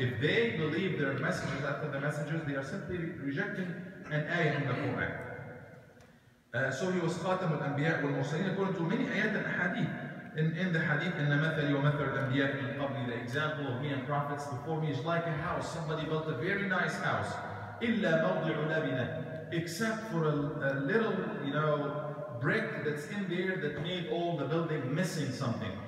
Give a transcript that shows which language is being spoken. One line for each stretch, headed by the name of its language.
English: If they believe they are messengers after the messengers, they are simply rejecting an ayah in the Quran. So he was Khatam al-Anbiya wal-Mursaleen according to many ayat and hadith. In the hadith,
Arabic: إِنَّ مَثَلِي وَمَثَلُ الْأَنْبِيَاءِ مِنْ قَبْلِي.
English: The example of me and prophets before me is like a house. Somebody built a very nice house.
Arabic: إِلَّا مَوْضِعُ لَبِنَةً.
English: Except for a little, you know, brick that's in there that made all the building missing something.